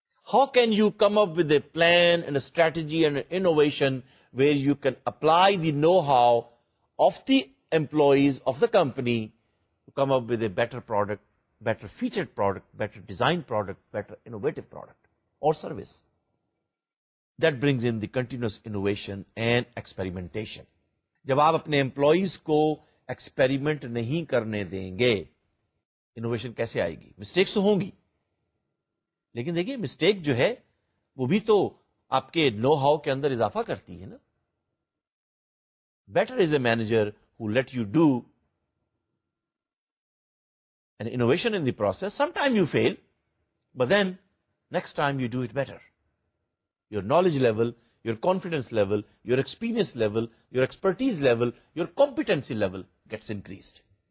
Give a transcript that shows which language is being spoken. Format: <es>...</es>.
<en>How can you come up with a plan and a strategy and an innovation where you can apply the know-how of the employees of the company to come up with a better product, better featured product, better designed product, better innovative product or service? That brings in the continuous innovation and experimentation.</en> <ur>جب آپ اپنے employees کو experiment نہیں کرنے دیں گے, innovation کیسے آئے گی؟ Mistakes تو ہوں گی, لیکن دیکھیں mistake جو ہے وہ بھی تو آپ کے know-how کے اندر اضافہ کرتی ہے نا.</ur> <en>Better is a manager who let you do an innovation in the process. Sometime you fail, but then next time you do it better. Your knowledge level, your confidence level, your experience level, your expertise level, your competency level gets increased.</en>